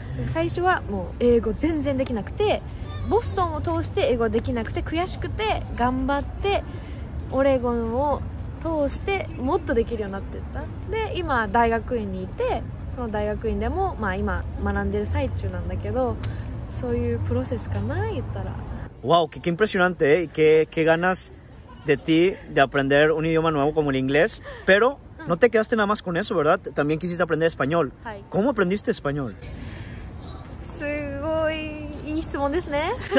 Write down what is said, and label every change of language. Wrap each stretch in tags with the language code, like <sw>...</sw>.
<ja>最初はもう英語全然できなくて、ボストンを通して英語できなくて悔しくて、頑張ってオレゴンを通してもっとできるようになっていった。で今大学院にいて、その大学院でもまあ今学んでる最中なんだけど、そういうプロセスかな言ったら。</ja> <es>わお、qué impresionante, qué ganas de ti de aprender un idioma nuevo como el inglés. Pero no te quedaste nada más con eso, ¿verdad? También quisiste aprender español. ¿Cómo aprendiste español?</es> <ja>すごいいい質問ですね。</ja>